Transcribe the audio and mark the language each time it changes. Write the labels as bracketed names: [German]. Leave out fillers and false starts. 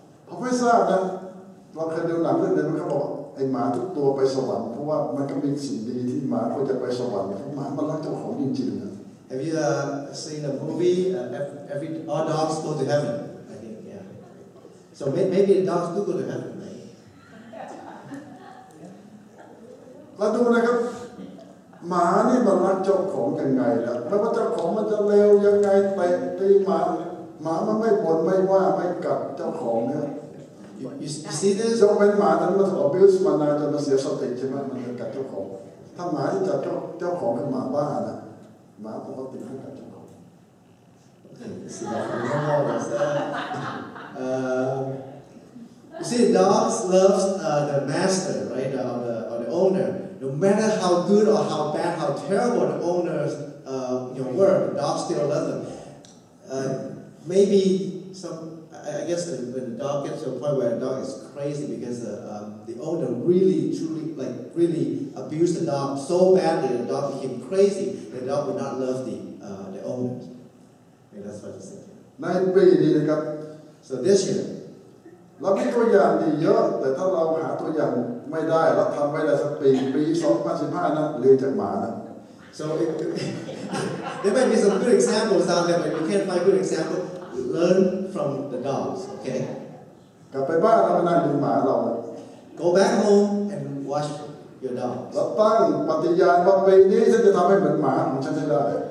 [Thai] ผมไม่ทราบนะเราเคยดูหนังเรื่องนึงเขาบอกไอ้หมาทุกตัวไปสวรรค์เพราะว่ามันก็มีสิ่งดีที่หมาควรจะไปสวรรค์เพราะหมามันรักเจ้าของจริงๆนะ [English] Have you seen a movie every all dogs go to heaven I think yeah so maybe the dogs do go to heaven [Thai] มาดูนะครับหมานี่มันรักเจ้าของยังไงล่ะไม่ว่าเจ้าของมันจะเลวยังไงไปหมามันไม่บ่นไม่ว่าไม่กัดเจ้าของเนี่ย [English] You see this? So when [Thai] หมาตัวนั้นมาถูก abuse มานานจนมันเสียสติใช่ไหมมันจะกัดเจ้าของถ้าหมาที่จับเจ้าของเป็นหมาบ้านนะหมาปกติไม่กัดเจ้าของ [English] Okay, this is not a problem. You see, dogs love the master, right? Or the owner. No matter how good or how bad, how terrible the owner's work, dogs still love them. Maybe some. I guess when the dog gets to a point where the dog is crazy because the owner really, truly, like, really abused the dog so badly the dog became crazy, the dog would not love the owner. Okay, that's what I said. Nine pages, you know. So this year. [Thai] เรามีตัวอย่างดีเยอะแต่ถ้าเราหาตัวอย่างไม่ได้เราทำไม่ได้สักปี2015นะเรียนจากหมานะ [English] So there might be some good examples out there, but you can't find good examplesLearn from the dogs, okay? [Thai] กลับไปบ้านแล้วมานั่งดูหมาเรา [English] Go back home and watch your dogs. [Thai] แล้วตั้งปฏิญาณว่าปีนี้ฉันจะทำให้เหมือนหมาของฉันได้